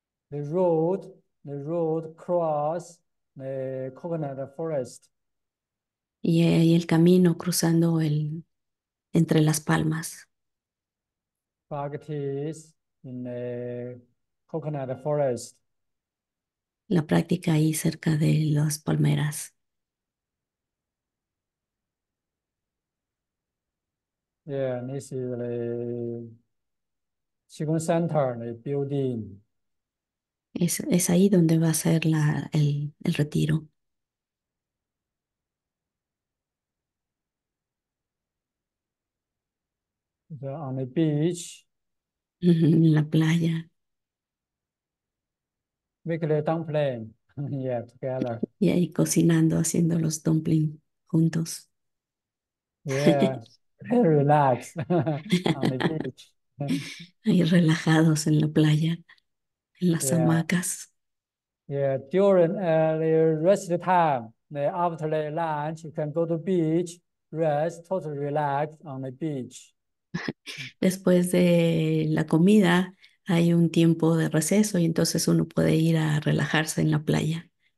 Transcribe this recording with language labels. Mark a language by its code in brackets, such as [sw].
[en] The road cross the coconut forest. [es] Y el camino cruzando entre las palmas. [en] Fog trees in the coconut forest. [es] La práctica ahí cerca de las palmeras. [en] Yeah, this is the Qigong Center, the building. [es] Es ahí donde va a ser el retiro. [en] On the beach, [es] En la playa. [en] make the dumpling, yeah, together. [es] Y ahí cocinando, haciendo los dumplings juntos. [en] Yes, very relax on the beach. [es] Ahí relajados en la playa. En las [en] Yeah, [es] hamacas. [en] during the rest of time, after the lunch, you can go to beach, rest, totally relax on the beach. [es] Después de la comida hay un tiempo de receso y entonces uno puede ir a relajarse en la playa.